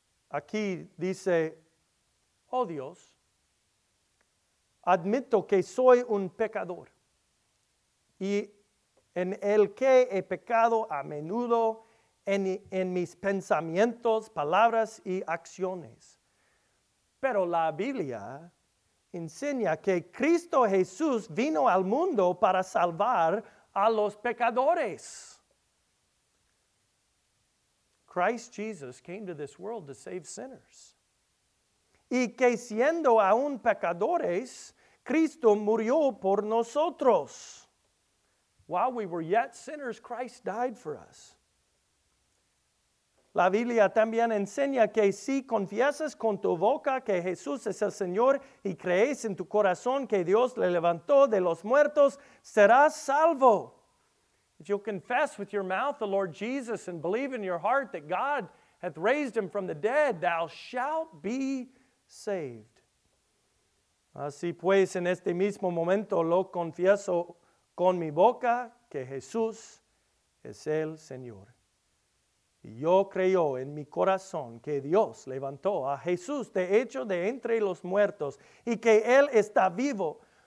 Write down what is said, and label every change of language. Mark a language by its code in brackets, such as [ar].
[es] Aquí dice, oh Dios, admito que soy un pecador y en el que he pecado a menudo en mis pensamientos, palabras y acciones. Pero la Biblia enseña que Cristo Jesús vino al mundo para salvar a los pecadores. [en] Christ Jesus came to this world to save sinners. [es] Y que siendo aún pecadores, Cristo murió por nosotros. [en] While we were yet sinners, Christ died for us. [es] La Biblia también enseña que si confiesas con tu boca que Jesús es el Señor y crees en tu corazón que Dios le levantó de los muertos, serás salvo. [en] If you confess with your mouth the Lord Jesus and believe in your heart that God hath raised him from the dead, thou shalt be saved. [es] Así pues, en este mismo momento lo confieso con mi boca que Jesús es el Señor. Y yo creo en mi corazón que Dios levantó a Jesús de hecho de entre los muertos y que Él está vivo.